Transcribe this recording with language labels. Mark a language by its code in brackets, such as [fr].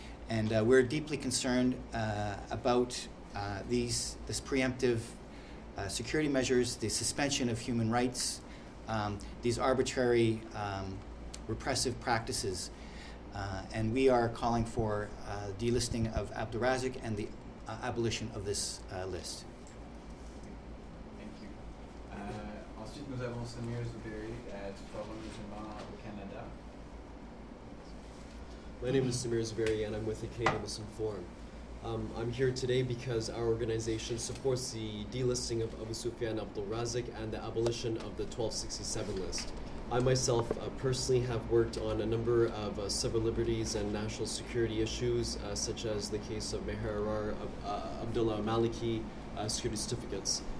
[en] And we're deeply concerned about this preemptive security measures, the suspension of human rights, these arbitrary repressive practices. And we are calling for delisting of Abdelrazik and the abolition of this list. Thank you. [fr] Ensuite, nous avons Samir Zuberi du Forum Musulman au Canada. [en] My name is Samir Zuberi, and I'm with the Canadian Muslim Forum. I'm here today because our organization supports the delisting of Abu Sufyan Abdelrazik and the abolition of the 1267 list. I myself personally have worked on a number of civil liberties and national security issues, such as the case of Meher Arar Abdullah Maliki security certificates.